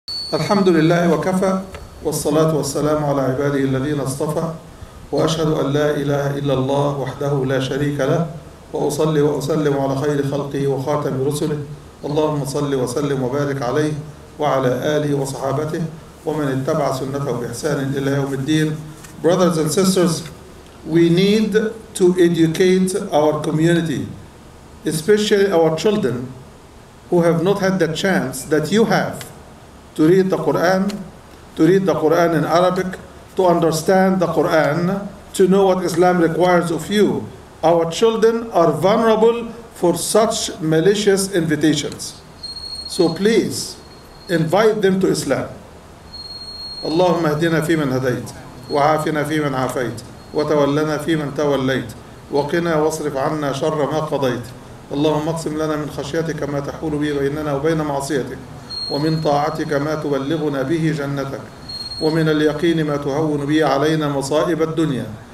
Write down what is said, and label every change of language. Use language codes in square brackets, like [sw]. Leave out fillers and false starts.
[ar] الحمد لله وكفى والصلاة والسلام على عباده الذين اصطفى وأشهد أن لا إله إلا الله وحده لا شريك له وأصلي وأسلم على خير خلقه وخاتم رسله اللهم صل وسلم وبارك عليه وعلى آله وصحابته ومن اتبع سنته بإحسان إلى يوم الدين. [en] Brothers and sisters, we need to educate our community, especially our children who have not had the chance that you have to read the Quran, to read the Quran in Arabic, to understand the Quran, to know what Islam requires of you. Our children are vulnerable for such malicious invitations. So please, invite them to Islam. [ar] اللهم اهدنا فيمن هديت، وعافنا فيمن عافيت، وتولنا فيمن توليت، وقنا واصرف عنا شر ما قضيت. اللهم اقسم لنا من خشيتك ما تحول به بيننا وبين معصيتك، ومن طاعتك ما تبلغنا به جنتك، ومن اليقين ما تهون به علينا مصائب الدنيا.